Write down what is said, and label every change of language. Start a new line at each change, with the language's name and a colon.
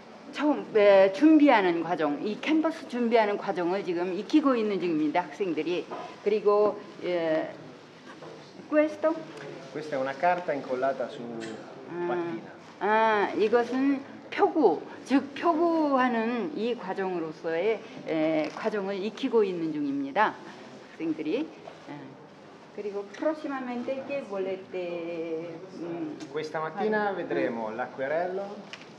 Korean: 처음 준비하는 과정, 이 캔버스 준비하는 과정을 지금 익히고 있는 중입니다, 학생들이. 그리고
Italian: questo? Questa è una carta incollata su pattina.
Korean: 아, 이것은 표구, 즉 표구하는 이 과정으로서의 과정을 익히고 있는 중입니다, 학생들이. 그리고
Italian: prossimamente che volete? Questa mattina vedremo l'acquerello.